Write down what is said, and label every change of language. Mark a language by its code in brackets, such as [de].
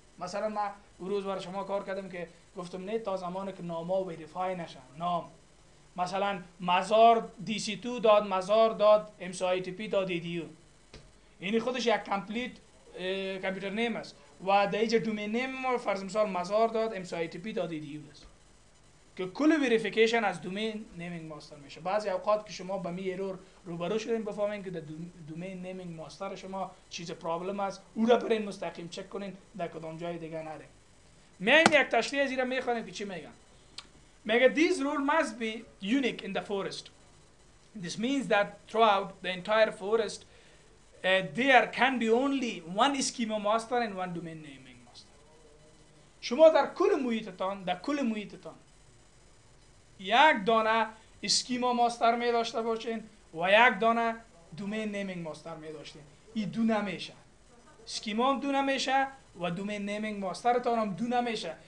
[fa] مثلا من روز برای شما کار کردم که گفتم نه تا زمانی که ناما ویریفای نشن نام مثلا مزار دی سی تو داد مزار داد ام سی آی تی پی داد ایدیو اینی خودش یک کمپلیت کامپیوتر نیم است و در اینجا دومین نیم ما فرض مثال مزار داد ام سی آی تی پی داد ایدیو است که کل ویریفیکیشن از دومین نیمینگ ماستر میشه. بعضی اوقات که شما به می ایرور روبرو شدین بفهمین که در دومین نیمینگ ماستر شما چیز پرابلم است او را برین مستقیم چک کنین در کدام جای دیگه نره. میایم یک تشریح از این را میخوانیم که چی میگن. میگه [en] this rule must be unique in the forest. This means that throughout the entire forest there can be only one schema master and one domain naming master. [fa] شما در کل محیطتان یک دانه اسکیما ماستر می داشته باشین و یک دانه دومین نیمینگ ماستر می داشتین. این دو نمیشه. اسکیما هم دو نمیشه و دومین نیمینگ ماسترتان هم دو نمیشه.